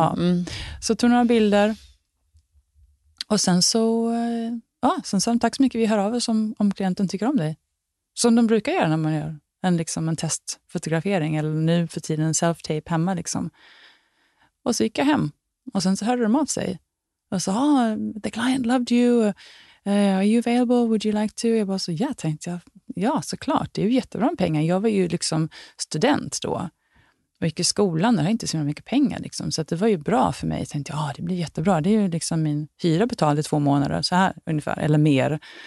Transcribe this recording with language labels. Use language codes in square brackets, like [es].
[sv] Ja. Mm. Så tog några bilder. Och sen så, sen sa han, tack så mycket, vi hör av oss om klienten tycker om dig. Som de brukar göra när man gör en testfotografering. Eller nu för tiden en self-tape hemma liksom. Och så gick jag hem. Och sen så hörde de av sig. Och sa, [en] the client loved you. Are you available? Would you like to? [sv] Jag bara så, ja, tänkte jag. Ja, såklart, det är ju jättebra med pengar. Jag var ju liksom student då. Och gick i skolan, det har inte så mycket pengar. Liksom. Så att det var ju bra för mig. Jag tänkte, det blir jättebra. Det är ju liksom min hyra betald i 2 månader, så här ungefär, eller mer.